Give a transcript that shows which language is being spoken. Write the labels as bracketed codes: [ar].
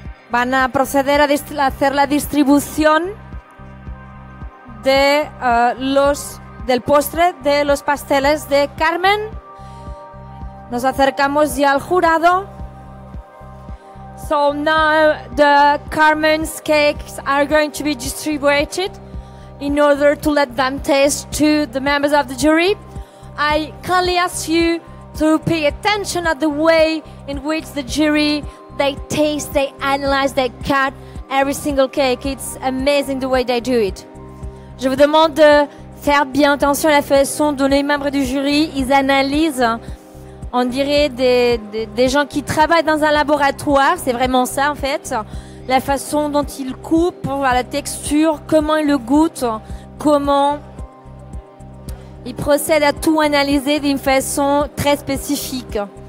[es] Van a proceder a hacer la distribución de del postre de los pasteles de Carmen. Nos acercamos ya al jurado. [en] So now the Carmen's cakes are going to be distributed in order to let them taste to the members of the jury. I kindly ask you to pay attention at the way in which the jury they taste, they analyze, they cut every single cake. It's amazing the way they do it. [fr] Je vous demande de faire bien attention à la façon dont les membres du jury ils analysent. On dirait des gens qui travaillent dans un laboratoire. C'est vraiment ça en fait. La façon dont ils coupent, la texture, comment ils le goûtent, comment ils procèdent à tout analyser d'une façon très spécifique.